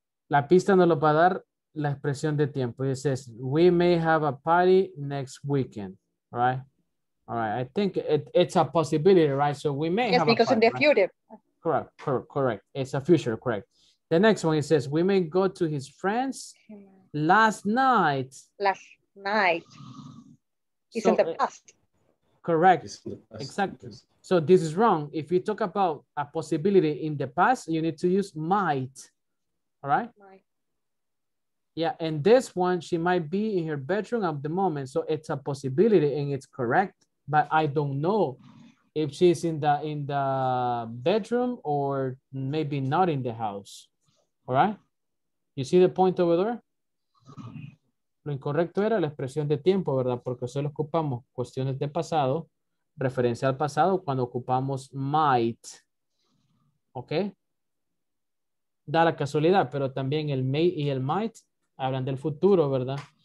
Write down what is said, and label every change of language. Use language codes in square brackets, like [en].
[es] La pista nos lo va a dar la expresión de tiempo. [en] It says, we may have a party next weekend. All right. All right. I think it's a possibility, right? So we may yes, have a party. Yes, because in the right? future. Correct. It's a future, correct. The next one, it says, we may go to his friends last night. Last night. He's so, in the past. Correct. The past. Exactly. So this is wrong. If you talk about a possibility in the past, you need to use might, all right? Might. Yeah, and this one, she might be in her bedroom at the moment, so it's a possibility and it's correct, but I don't know if she's in the bedroom or maybe not in the house. All right? You see the point over there? [es] Lo incorrecto era la expresión de tiempo, ¿verdad? Porque solo ocupamos cuestiones de pasado, referencia al pasado, cuando ocupamos might. ¿Ok? Da la casualidad, pero también el may y el might hablan del futuro, ¿verdad?